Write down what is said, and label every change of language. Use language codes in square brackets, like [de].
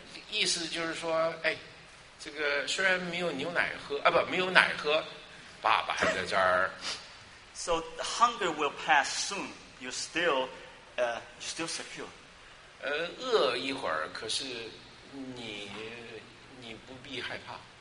[zh] 意思就是说，哎，这个虽然没有牛奶喝，啊不，没有奶喝。爸爸还在这儿。 [en] So the hunger will pass soon. You're still secure. [zh] 饿一会儿，可是你不必害怕。